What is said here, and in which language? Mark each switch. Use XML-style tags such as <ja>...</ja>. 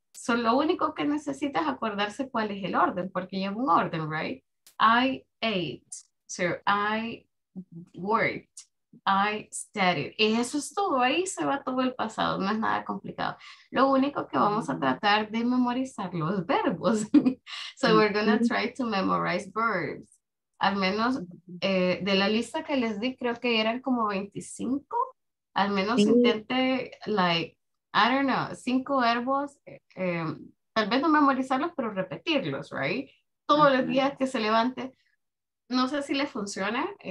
<es>So, lo único que necesita es acordarse cuál es el orden, porque lleva un orden, right?</es> <en>I ate, so I worked, I studied.</en> <es>Y eso es todo, ahí se va todo el pasado, no es nada complicado. Lo único que vamos a tratar de memorizar los verbos.</es> <en>So we're going to try to memorize verbs.</en> <es>Al menos de la lista que les di, creo que eran como 25. Al menos intente,</es> <en>like, I don't know,</en> <es>5 verbos, tal vez no memorizarlos, pero repetirlos, right? Todos los días que se levante. No sé si le funciona.</es>